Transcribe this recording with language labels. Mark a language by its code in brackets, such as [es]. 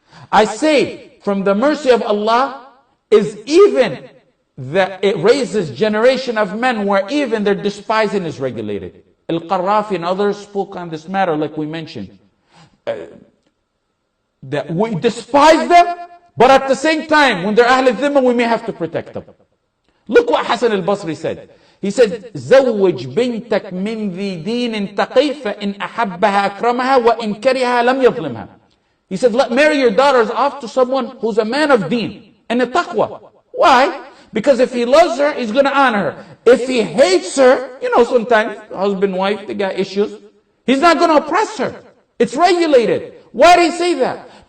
[en] I say, from the mercy of Allah, is even that it raises generation of men where even their despising is regulated. Al-Qarrafi and others spoke on this matter, like we mentioned. That we despise them, but at the same time, when they're Ahl al-Dhimma, we may have to protect them. Look what Hassan al-Basri said. [ar] He said, زوج بنتك من ذي دين تقي فإن أحبها أكرمها وإن كرهها لم يظلمها. [en] He said, let marry your daughters off to someone who's a man of deen and a taqwa. Why? Because if he loves her, he's going to honor her. If he hates her, you know, sometimes husband, wife, they got issues. He's not going to oppress her. It's regulated. Why did he say that?